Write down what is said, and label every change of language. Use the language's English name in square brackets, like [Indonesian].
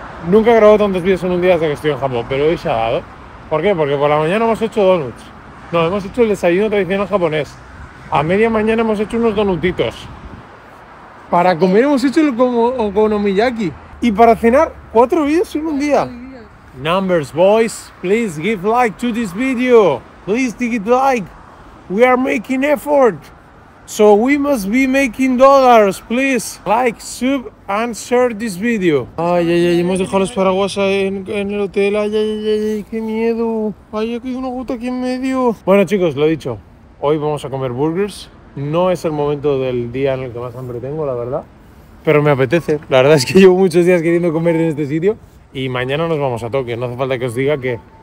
[Spanish] Nunca he grabado tantos vídeos en un día desde que estoy en Japón, pero hoy se ha dado. ¿Por qué? Porque por la mañana hemos hecho donuts. No, hemos hecho el desayuno tradicional japonés. A media mañana hemos hecho unos donutitos. Para comer hemos hecho el okonomiyaki. Y para cenar, cuatro vídeos en un día. [English] Numbers, boys, please give like to this video. Please give it like. We are making effort. So we must be making dollars, please. Like, sub and share this video. [Spanish] Ay, ay, ay, hemos dejado los paraguas en el hotel. Ay, ay, ay, ay, qué miedo. Ay, aquí hay una gota aquí en medio. Bueno, chicos, lo dicho. Hoy vamos a comer burgers. No es el momento del día en el que más hambre tengo, la verdad. Pero me apetece. La verdad es que llevo muchos días queriendo comer en este sitio. Y mañana nos vamos a Tokio. No hace falta que os diga que